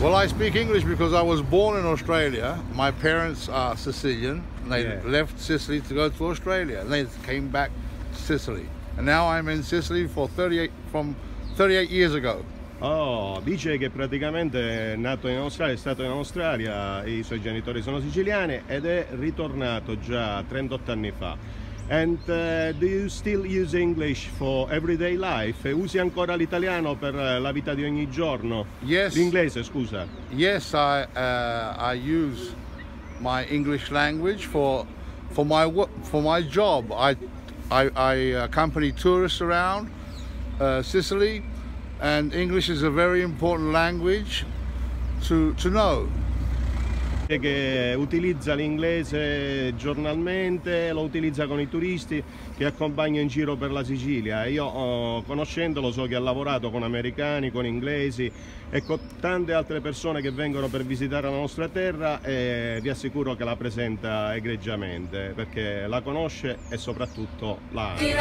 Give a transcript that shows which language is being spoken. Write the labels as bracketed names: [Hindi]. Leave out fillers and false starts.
[English] Well, I speak English because I was born in Australia. My parents are Sicilian. And they left Sicily to go to Australia, and they came back to Sicily. And now I'm in Sicily from 38 years ago. [Italian] Oh, dice che praticamente è nato in Australia, è stato in Australia, I suoi genitori sono siciliani ed è ritornato già 38 anni fa. [English] And do you still use English for everyday life? [Italian] Usi ancora l'italiano per la vita di ogni giorno? [English] Yes. [Italian] L'inglese, scusa. [English] Yes, I use my English language for my job. I accompany tourists around Sicily. And English is a very important language to know. [Italian] Che utilizza l'inglese giornalmente, lo utilizza con I turisti che accompagna in giro per la Sicilia. Io conoscendolo so che ha lavorato con americani, con inglesi e con tante altre persone che vengono per visitare la nostra terra e vi assicuro che la presenta egregiamente perché la conosce e soprattutto la